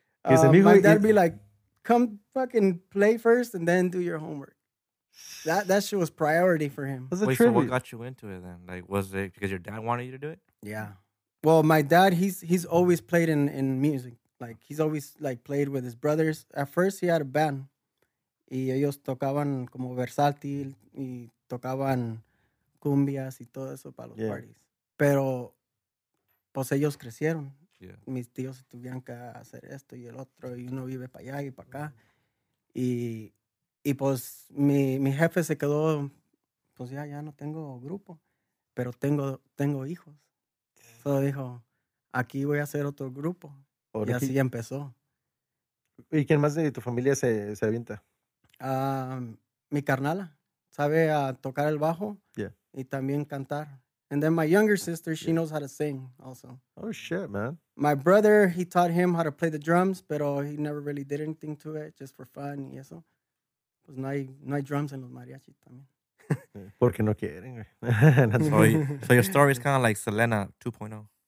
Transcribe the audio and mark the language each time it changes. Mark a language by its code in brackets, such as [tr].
[en] My dad be like, come fucking play first and then do your homework. That shit was priority for him. Wait, so what got you into it then? Like, was it because your dad wanted you to do it? Yeah. Well, my dad, he's always played in music. Like, he's always, like, played with his brothers. At first, he had a band. [es] Y ellos tocaban como versátil y tocaban cumbias y todo eso para los parties. Pero pues ellos crecieron. [en] Yeah. [es] Mis tíos tuvieron que hacer esto y el otro, y uno vive para allá y para acá. Y pues mi jefe se quedó, pues ya no tengo grupo, pero tengo hijos. Entonces dijo, aquí voy a hacer otro grupo. Y así empezó. ¿Y quién más de tu familia se avienta? Mi carnala. Sabe tocar el bajo y también cantar. [en] And then my younger sister, she knows how to sing also. Oh, shit, man. My brother, he taught him how to play the drums, pero he never really did anything to it, just for fun [es] y eso. Pues no hay drums en los mariachi también. Porque no quieren. [en] So your story is kind of like Selena 2.0.